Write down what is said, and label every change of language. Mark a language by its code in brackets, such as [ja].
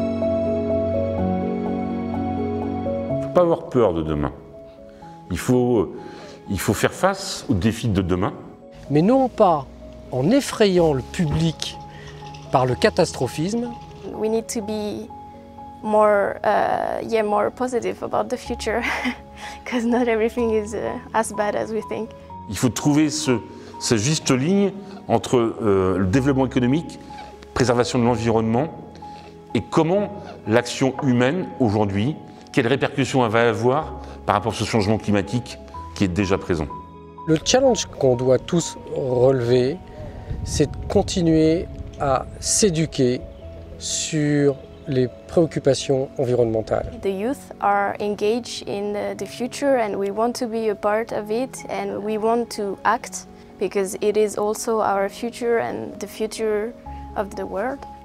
[fr] Il ne faut pas avoir peur de demain. Il faut faire face aux défis de demain. Mais non pas en effrayant le public par le catastrophisme. [en] We need to be more, more positive about the future, because not everything is as bad as we think. [fr] Il faut trouver cette juste ligne entre le développement économique, préservation de l'environnement, et comment l'action humaine aujourd'hui, quelles répercussions elle va avoir par rapport à ce changement climatique qui est déjà présent. Le challenge qu'on doit tous relever, c'est de continuer à s'éduquer sur les préoccupations environnementales. [en] The youth are engaged in the future and we want to be a part of it and we want to act because it is also our future and the future of the world.